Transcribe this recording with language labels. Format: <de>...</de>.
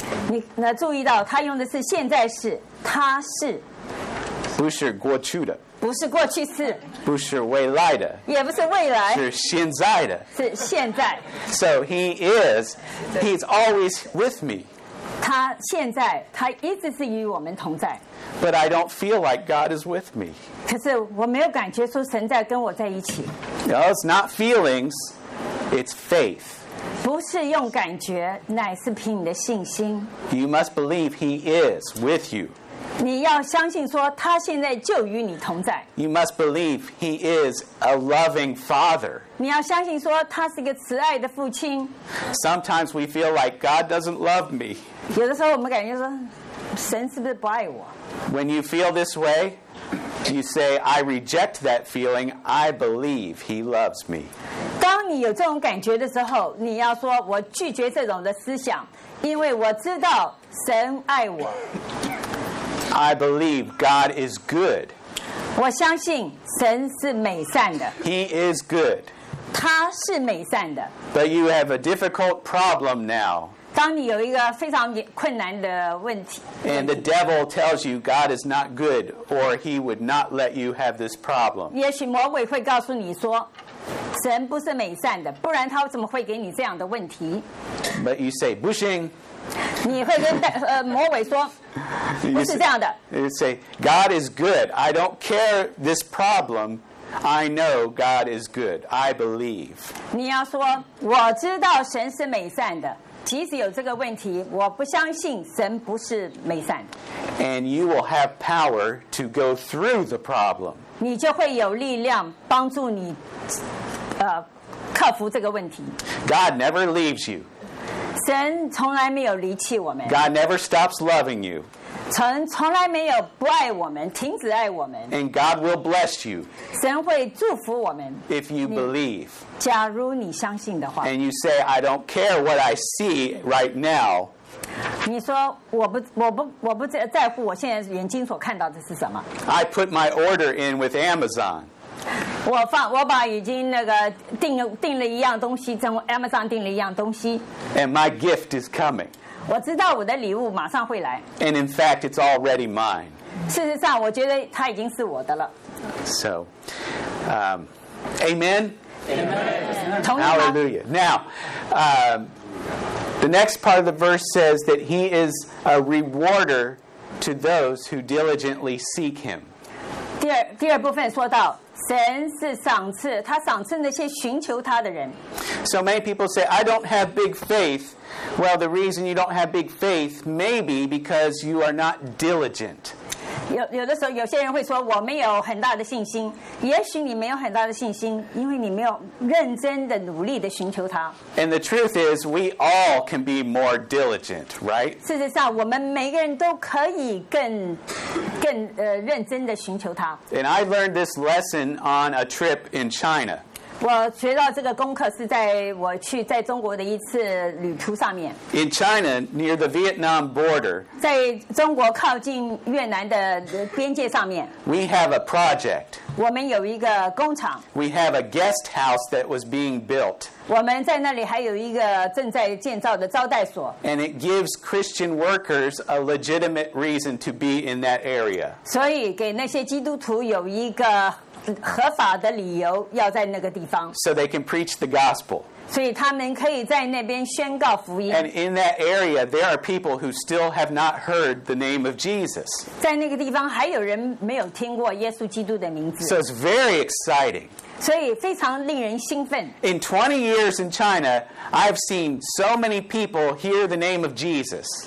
<zh>你那注意到他用的是现在式，他是，不是过去的，不是过去式，不是未来的，也不是未来，是现在的，是现在。</zh> <en>So he is, he's always with me.</en> <zh>他现在，他一直是与我们同在。</zh> <en>But I don't feel like God is with me.</en> <zh>可是我没有感觉说神在跟我在一起。</zh> <en>No, it's not feelings, it's faith.</en> <zh>不是用感觉，乃是凭你的信心。</zh> <en>You must believe he is with you.</en> <zh>你要相信说他现在就与你同在。</zh> <en>You must believe he is a loving father.</en> <zh>你要相信说他是一个慈爱的父亲。</zh> <en>Sometimes we feel like God doesn't love me.</en> <zh>有的时候我们感觉说，神是不是不爱我？</zh> <en>When you feel this way,You say, I reject that feeling. I believe he loves me.</en> <zh>当你有这种感觉的时候，你要说，我拒绝这种的思想，因为我知道神爱我。</zh> <en>I believe God is good.</en> <zh>我相信神是美善的。</zh> <en>He is good.</en> <zh>他是美善的。</zh> <en>But you have a difficult problem now.</en> <zh>当你有一个非常困难的问题</zh> <en>And the devil tells you God is not good or he would not let you have this problem.</en> <zh>也许魔鬼会告诉你说神不是美善的不然他怎么会给你这样的问题</zh> <en>But you say,</en> <zh>不行。你会跟魔鬼说不是这样的</zh> <en>You say, God is good. I don't care this problem. I know God is good. I believe.</en> <zh>你要说我知道神是美善的即使有这个问题，我不相信神不是美善。</zh> <en>And you will have power to go through the problem.</en> <zh>你就会有力量帮助你，克服这个问题。</zh> <en>God never leaves you.</en> <zh>神从来没有离弃我们。</zh> <en>God never stops loving you.</en> <zh>从来没有不爱我们，停止爱我们。</zh> <en>And God will bless you.</en> <zh>神会祝福我们。</zh> <en>If you believe.</en> <zh>假如你相信的话</zh> <en>And you say, I don't care what I see right now.</en> <zh>你说我不在乎我现在眼睛所看到的是什么</zh> <en>I put my order in with Amazon.</en> <zh>我把已经那个订了一样东西从 Amazon 订了一样东西</zh> <en>And my gift is coming.</en> <zh>我知道我的礼物马上会来</zh> <en>And in fact, it's already mine.</en> <zh>事实上我觉得它已经是我的了</zh> <en>So, Amen. Amen. Hallelujah. Now, the next part of the verse says that he is a rewarder to those who diligently seek him.</en> <zh>第二部分说到神是赏赐，他赏赐那些寻求他的人。</zh> <en>So many people say, I don't have big faith. Well, the reason you don't have big faith may be because you are not diligent.</en> <zh>有的时候有些人会说我没有很大的信心也许你没有很大的信心因为你没有认真的努力的寻求他</zh> <en>And the truth is we all can be more diligent, right?</en> <zh>事实上我们每个人都可以更认真的寻求他</zh> <en>And I learned this lesson on a trip in China</en> <zh>我学到这个功课是在我去在中国的一次旅途上面</zh> <en>In China, near the Vietnam border</en> <zh>在中国靠近越南的边界上面</zh> <en>We have a project</en> <zh>我们有一个工厂</zh> <en>We have a guest house that was being built</en> <zh>我们在那里还有一个正在建造的招待所</zh> <en>And it gives Christian workers a legitimate reason to be in that area</en> <zh>所以给那些基督徒有一个合法的理由要在那个地方</zh> <en>so they can preach the gospel</en> <zh>所以他们可以在那边宣告福音。</zh> <en>And in that area, there are people who still have not heard the name of Jesus.</en> <zh>在那个地方还有人没有听过耶稣基督的名字。</zh> <en>So it's very exciting.</en> <zh>所以非常令人兴奋。</zh> <en>In 20 years in China, I've seen so many people hear the name of Jesus.</en>